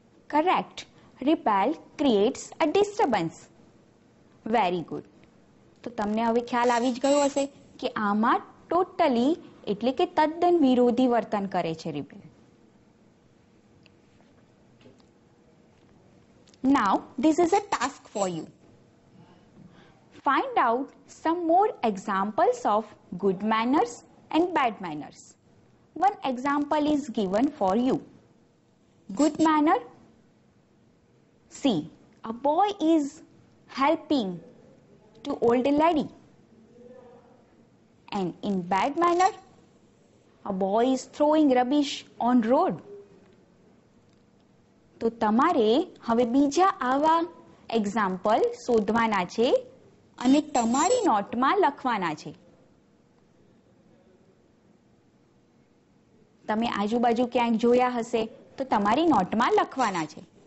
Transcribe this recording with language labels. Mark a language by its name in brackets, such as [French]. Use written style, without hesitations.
[English] Correct, repel creates a disturbance. Very good. [Gujarati] તો તમને હવે ખ્યાલ આવી જ ગયો હશે કે આમાં ટોટલી એટલે કે તદ્દન વિરોધી વર્તન કરે છે repel. [English] Now, this is a task for you. Find out some more examples of good manners and bad manners. One example is given for you. Good manner. See, a boy is helping to older lady. And in bad manner, a boy is throwing rubbish on road. [Gujarati] તો તમારે હવે બીજા આવા example શોધવાના છે અને તમારી નોટમાં લખવાના છે. તમે આજુબાજુ ક્યાંક જોયા હશે તો તમારી નોટમાં લખવાના છે.